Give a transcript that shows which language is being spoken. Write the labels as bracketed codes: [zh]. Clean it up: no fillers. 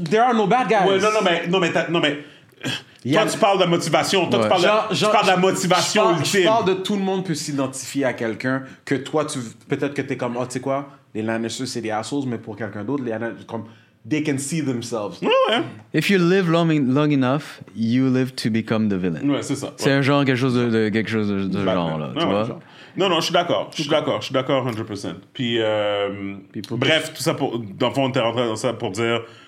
[en] There are no bad guys. [fr] Ouais, non, mais. Toi, tu parles de motivation. Toi, ouais. tu parles de la motivation ultime. Je parle de tout le monde peut s'identifier à quelqu'un que toi, tu, peut-être que t'es comme, tu sais quoi, les Lannisters, c'est des assholes, mais pour quelqu'un d'autre, les Lannisters, comme, [en] they can see themselves. [fr] Ouais. [en] If you live long enough, you live to become the villain. [fr] Ouais, c'est ça. Ouais. C'est un genre, quelque chose de genre, là. Ouais, tu vois? Non, je suis d'accord, 100%. Puis, bref, tout ça pour. Dans le fond, on était rentré dans ça pour dire.